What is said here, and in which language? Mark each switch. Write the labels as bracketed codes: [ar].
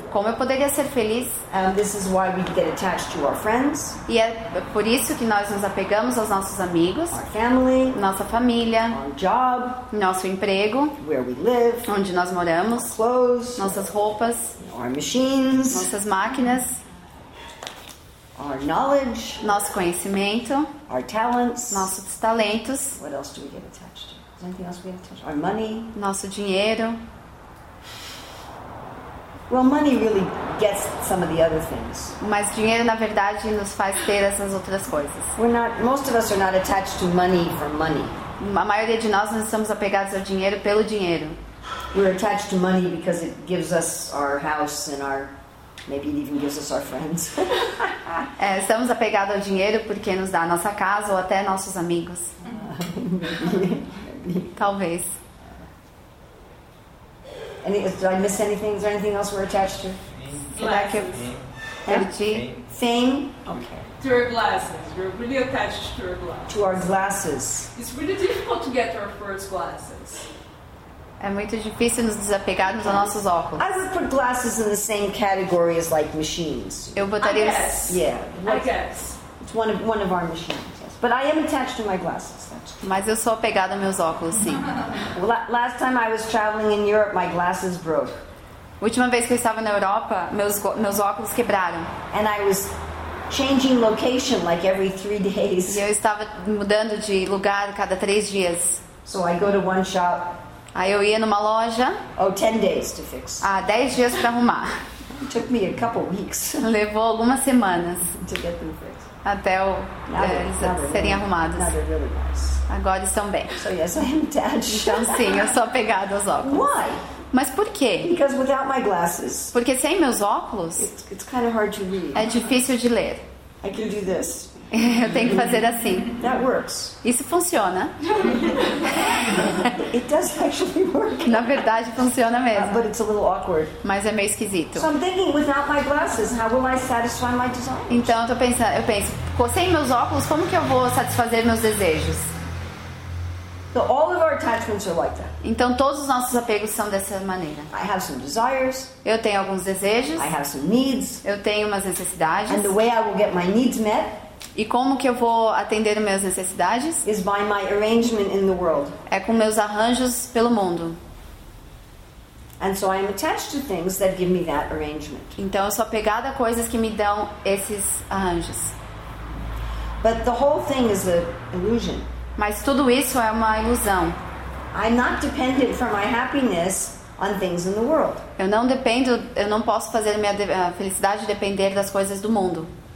[pt] Como eu poderia ser feliz? [en] And this is why we get attached to our friends. [pt] E é por isso que nós nos apegamos aos nossos amigos, [en] our family, [pt] nossa família, [en] our job, [pt] nosso emprego, [en] where we live, [pt] onde nós moramos, [en] our clothes, [pt] nossas roupas, [en] our machines, [pt] nossas máquinas, [en] our knowledge, [pt] nosso conhecimento, [en] our talents, [pt] nossos talentos. [en] What else do we get attached to? Anything else we have to touch? Our money. [pt] Nosso dinheiro. [en] Well, money really gets some of the other things. [pt] Mas dinheiro, na verdade, nos faz ter essas outras coisas. [en] Most of us are not attached to money for money. [pt] A maioria de nós não estamos apegados ao dinheiro pelo dinheiro. [en] We're attached to money because it gives us our house and our... Maybe it even gives us our friends. [pt] É, estamos apegados ao dinheiro porque nos dá nossa casa ou até nossos amigos. Talvez. [en] Did I miss anything? Is there anything else we're attached to? Glasses. Fame. Okay. To our glasses. We're really attached to our glasses. To our glasses. It's really difficult to get our first glasses. [pt] É muito difícil nos desapegarmos aos nossos óculos. [en] I would put glasses in the same category as like machines. [pt] Eu botaria. [en] I guess. Yeah. What? I guess. It's one of our machines. But I am attached to my glasses. [pt] Mas eu sou apegada aos meus óculos, sim. [en] Last time I was traveling in Europe, my glasses broke. [pt] Última vez que eu estava na Europa, meus óculos quebraram. [en] And I was changing location like every 3 days. [pt] E eu estava mudando de lugar cada 3 dias. [en] So I go to one shop. [pt] Aí eu ia numa loja. [en] Oh, 10 days to fix. [pt] 10 dias para arrumar. [en] It took me a couple weeks. [pt] Levou algumas semanas. [en] To get them fixed. [pt] Até o serem arrumados. Agora estão bem. Então sim, eu sou apegada aos óculos. [en] Why? [pt] Mas por quê? [en] Because without my glasses. [pt] Porque sem meus óculos. [en] It's kind of hard to read. [pt] É difícil de ler. [en] I can do this. [pt] Eu tenho que fazer assim. [en] That works. [pt] Isso funciona. [en] It does actually work. [pt] Na verdade, funciona mesmo. [en] But it's a little awkward. [pt] Mas é meio esquisito. [en] So I'm thinking, without my glasses, how will I satisfy my desires? [pt] Então, eu penso, sem meus óculos, como que eu vou satisfazer meus desejos? [en] So all of our attachments are like that. [pt] Então, todos os nossos apegos são dessa maneira. [en] I have some desires. [pt] Eu tenho alguns desejos. [en] I have some needs. [pt] Eu tenho umas necessidades. [en] And the way I will get my needs met. [pt] E como que eu vou atender as minhas necessidades? [en] Is by my arrangement in the world. [pt] É com meus arranjos pelo mundo. [en] And so I am attached to things that give me that arrangement. [pt] Então eu sou apegada a coisas que me dão esses arranjos. [en] But the whole thing is an illusion. [pt] Mas tudo isso é uma ilusão. [en] I'm not dependent for my happiness on things in the world. [pt] Eu não dependo, eu não posso fazer minha felicidade depender das coisas do mundo.